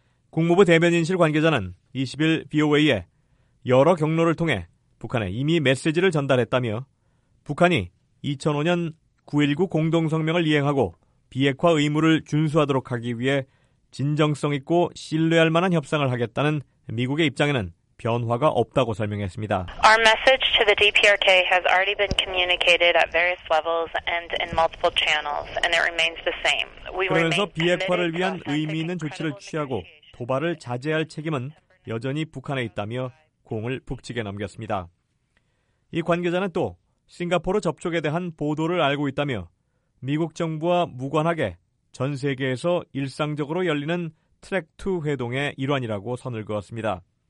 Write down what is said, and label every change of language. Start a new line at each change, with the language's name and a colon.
Korean: 국무부 대변인실 관계자는 20일 VOA에 여러 경로를 통해 북한에 이미 메시지를 전달했다며 북한이 2005년 9.19 공동성명을 이행하고 비핵화 의무를 준수하도록 하기 위해 진정성 있고 신뢰할 만한 협상을 하겠다는 미국의 입장에는 변화가 없다고 설명했습니다.
English: Our message to the DPRK has already been communicated at various levels and in multiple channels, and it remains the same.
Korean: We 그러면서 비핵화를 위한 의미 있는 조치를 취하고 도발을 자제할 책임은 여전히 북한에 있다며 공을 북측에 넘겼습니다. 이 관계자는 또 싱가포르 접촉에 대한 보도를 알고 있다며 미국 정부와 무관하게 전 세계에서 일상적으로 열리는 트랙2 회동의 일환이라고 선을 그었습니다.